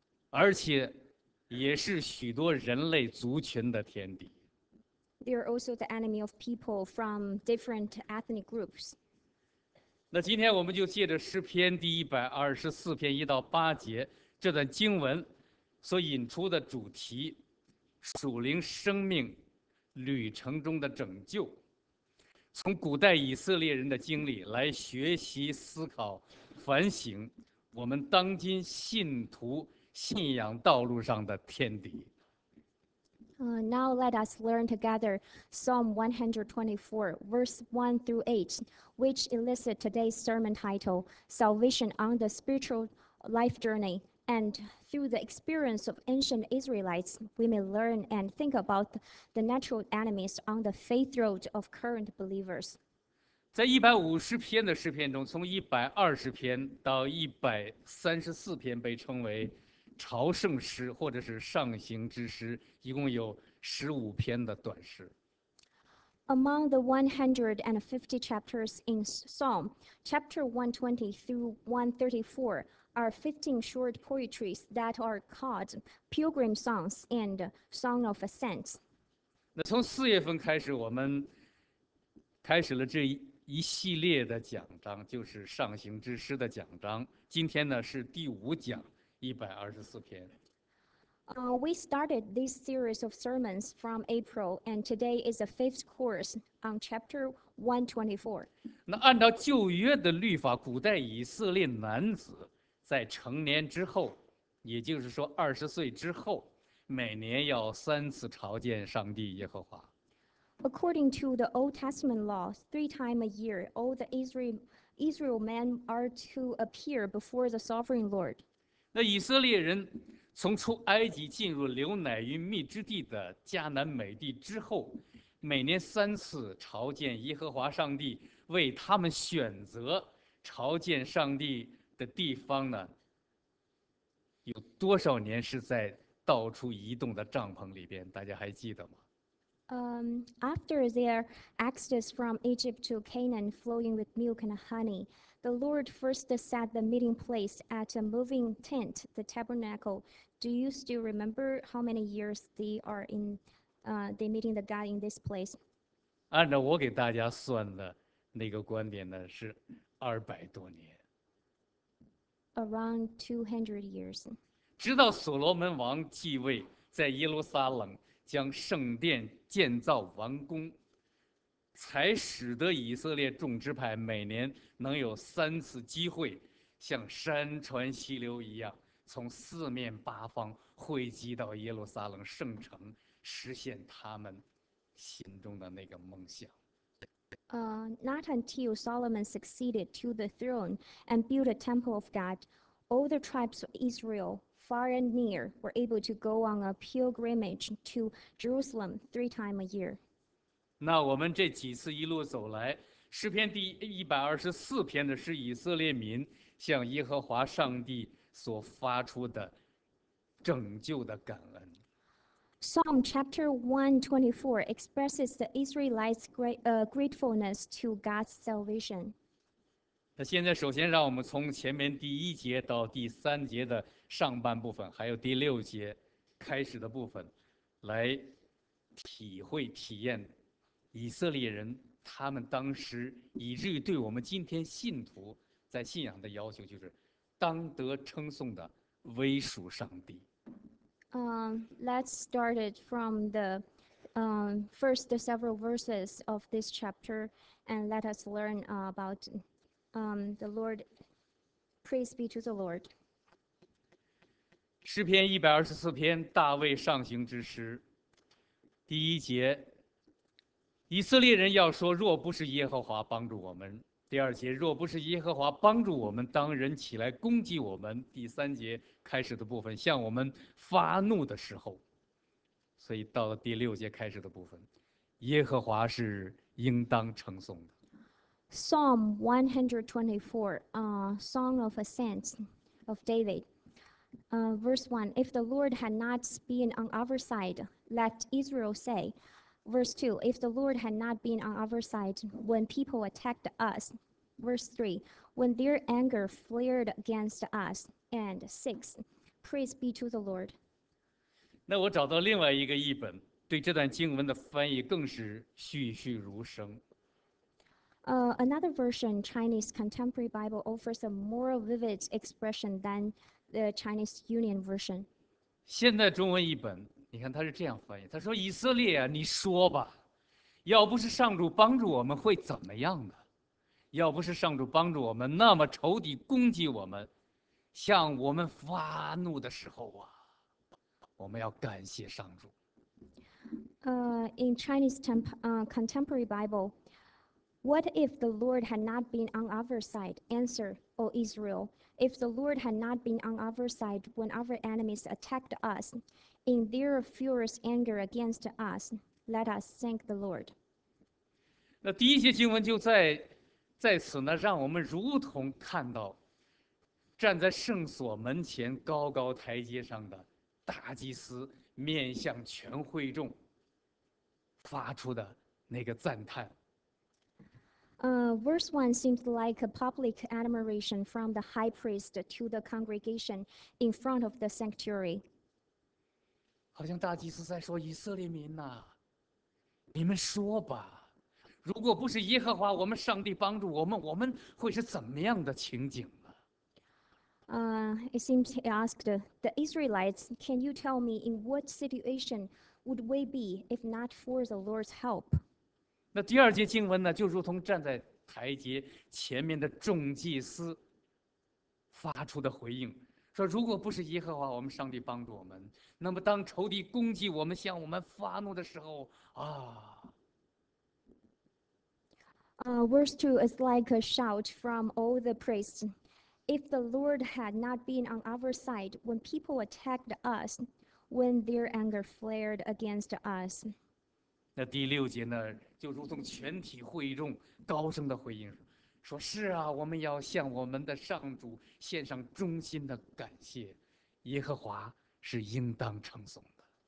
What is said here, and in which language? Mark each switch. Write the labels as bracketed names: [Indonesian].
[Chinese] 而且也是许多人类族群的天敌。 [English] They are also the enemy of people from different ethnic groups. [Chinese] 那今天我们就借着诗篇124篇1到8节这段经文所引出的主题，属灵生命旅程中的拯救，从古代以色列人的经历来学习、思考、反省我们当今信徒信仰道路上的天敌。 [English] Now let us learn together Psalm 124, verse 1 through 8, which elicit today's sermon title, Salvation on the Spiritual Life Journey. And through the experience of ancient Israelites, we may learn and think about the natural enemies on the faith road of current believers. [Chinese] 在150篇的诗篇中，从120篇到134篇被称为朝圣诗或者是上行之诗，一共有15篇的短诗。 [English] Among the 150 chapters in Psalm, chapter 120 through 134 are 15 short poetries that are called Pilgrim Songs and Song of Ascent. [Chinese] 那从四月份开始，我们开始了这一系列的讲章，就是上行之诗的讲章。今天呢是第五讲，124篇。 [English] We started this series of sermons from April, and today is the fifth course on chapter 124. [Chinese] 那按照旧约的律法，古代以色列男子在成年之后，也就是说20岁之后，每年要3次朝见上帝耶和华。 [English] According to the Old Testament law, 3 times a year, all the Israel men are to appear before the Sovereign Lord. [Chinese] 那以色列人从出埃及进入流奶与蜜之地的迦南美地之后，每年3次朝见耶和华上帝，为他们选择朝见上帝的地方呢？有多少年是在到处移动的帐篷里边？大家还记得吗？ [English] After their exodus from Egypt to Canaan, flowing with milk and honey, the Lord first set the meeting place at a moving tent, the tabernacle. Do you still remember how many years they are in, they meeting the God in this place? [Chinese] 按照我给大家算的那个观点呢，是200多年。 [English] Around 200 years. [Chinese] 直到所罗门王继位，在耶路撒冷将圣殿建造完工，才使得以色列众支派每年能有3次机会，像山川溪流一样，从4面8方汇集到耶路撒冷圣城，实现他们心中的那个梦想。 [English] Not until Solomon succeeded to the throne and built a temple of God, all the tribes of Israel, far and near, were able to go on a pilgrimage to Jerusalem 3 times a year. [Chinese] 那我们这几次一路走来，诗篇第124篇的是以色列民向耶和华上帝所发出的拯救的感恩。 [English] Psalm chapter 124 expresses the Israelites' gratefulness to God's salvation. [Chinese] 那现在首先让我们从前面第一节到第三节的上半部分，还有第六节开始的部分，来体会体验以色列人他们当时以至于对我们今天信徒在信仰的要求，就是当得称颂的威属上帝。 [English] Let's start it from the first several verses of this chapter, and let us learn about the Lord. Praise be to the Lord. [Chinese] 诗篇124篇，大卫上行之诗，第一节，以色列人要说，若不是耶和华帮助我们。第二节，若不是耶和华帮助我们，当人起来攻击我们。第三节开始的部分，向我们发怒的时候。所以到了第六节开始的部分，耶和华是应当称颂的。 [English] Psalm 124, Song of Ascent of David. Verse 1, if the Lord had not been on our side, let Israel say. Verse 2, if the Lord had not been on our side when people attacked us. Verse 3, when their anger flared against us. And 6, praise be to the Lord. [Chinese] 那我找到另外一个译本，对这段经文的翻译更是栩栩如生。 [English] Another version, Chinese Contemporary Bible, offers a more vivid expression than the Chinese Union version. [Chinese] 现代中文译本，你看他是这样翻译，他说，以色列啊，你说吧，要不是上主帮助我们会怎么样呢？要不是上主帮助我们，那么仇敌攻击我们，向我们发怒的时候啊，我们要感谢上主。 [English] In Chinese Contemporary Bible, what if the Lord had not been on our side? Answer, O Israel, if the Lord had not been on our side when our enemies attacked us, in their furious anger against us, let us thank the Lord. [Chinese] 那第一节经文就在此呢，让我们如同看到站在圣所门前高高台阶上的大祭司，面向全会众发出的那个赞叹。 [English] Verse 1 seems like a public admiration from the high priest to the congregation in front of the sanctuary. [Chinese] 好像大祭司在说，以色列民哪，你们说吧，如果不是耶和华我们上帝帮助我们，我们会是怎么样的情景呢？ [English] It seems he asked the Israelites, can you tell me in what situation would we be if not for the Lord's help? [Chinese] 那第二节经文呢，就如同站在台阶前面的众祭司发出的回应，说如果不是耶和华我们上帝帮助我们，那么当仇敌攻击我们向我们发怒的时候啊。 [English] Verse 2 is like a shout from all the priests. If the Lord had not been on our side when people attacked us, when their anger flared against us. [Chinese] 那第六节呢，就如同全体会众高声的回应，说是啊，我们要向我们的上主献上衷心的感谢，耶和华是应当称颂的。